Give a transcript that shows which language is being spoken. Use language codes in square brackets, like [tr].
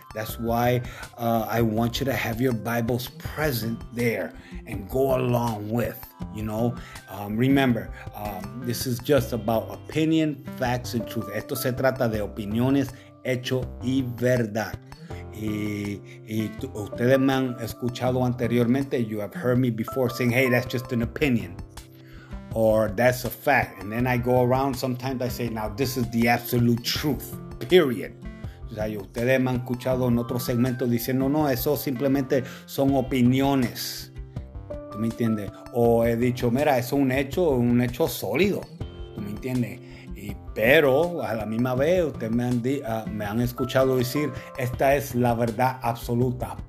[en] That's why I want you to have your Bibles present there and go along with, you know. Remember, this is just about opinion, facts, and truth. [es] Esto se trata de opiniones, hecho y verdad. Y ustedes me han escuchado anteriormente. [en] You have heard me before saying, hey, that's just an opinion. Or that's a fact. And then I go around. Sometimes I say, now this is the absolute truth. Period. [es] O sea, ustedes me han escuchado en otro segmento diciendo, no, eso simplemente son opiniones. ¿Tú me entiendes? O he dicho, mira, eso es un hecho sólido. ¿Tú me entiendes? Y, pero a la misma vez, ustedes me han escuchado decir, esta es la verdad absoluta.